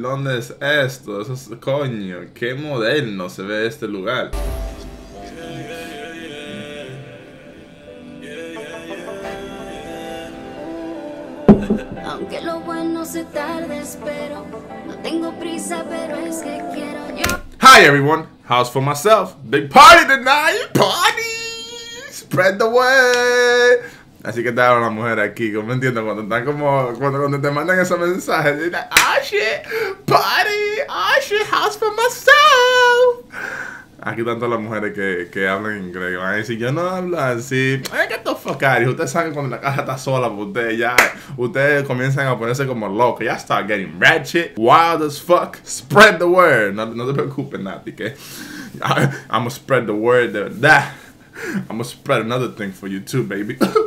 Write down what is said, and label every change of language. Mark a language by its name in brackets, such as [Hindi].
[Spanish] ¿Dónde es esto? Eso es, coño, qué moderno se ve este lugar. Aunque lo bueno se tarde, espero. No tengo prisa, pero es que quiero yo. [English] Hi everyone, house for myself. Big party tonight, party. Spread the word. [Spanish] Así que estaba la mujer aquí, ¿cómo me entiendes? Cuando están como, cuando te mandan esos mensajes, dice, [English] ah, shit, party, ah, shit, house for myself. [Spanish] Aquí están todas las mujeres que hablan inglés, van a decir, yo no hablo así. Ay, [English] get the fuck out. [Spanish] Y ustedes saben que cuando la casa está sola, pues ustedes ya, ustedes comienzan a ponerse como locos. [English] Ya start getting ratchet, wild as fuck, spread the word. [Spanish] No te preocupes, Nati, que [English] I'm gonna spread the word, [Spanish] de verdad. [English] I'm gonna spread another thing for you too, baby.